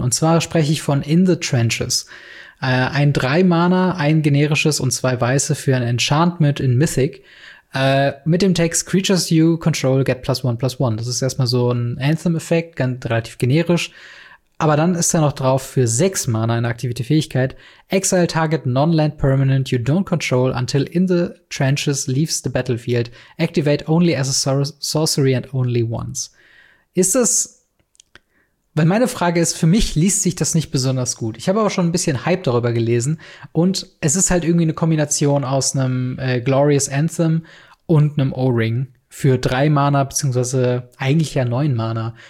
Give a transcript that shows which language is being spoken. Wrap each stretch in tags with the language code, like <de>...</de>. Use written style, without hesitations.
<de>Und zwar spreche ich von In the Trenches. Ein 3-Mana, ein generisches und 2 weiße für ein Enchantment in Mythic. Mit dem Text</de> <en>Creatures you control get +1/+1.</en> <de>Das ist erstmal so ein Anthem-Effekt, ganz relativ generisch. Aber dann ist er noch drauf für 6 Mana in aktivierte Fähigkeit.</de> <en>Exile Target Non-Land Permanent you don't control until In the Trenches leaves the battlefield. Activate only as a sorcery and only once.</en> <de>Ist das, weil meine Frage ist, für mich liest sich das nicht besonders gut. Ich habe aber schon ein bisschen Hype darüber gelesen. Und es ist halt irgendwie eine Kombination aus einem Glorious Anthem und einem O-Ring für 3 Mana, beziehungsweise eigentlich ja 9 Mana.</de>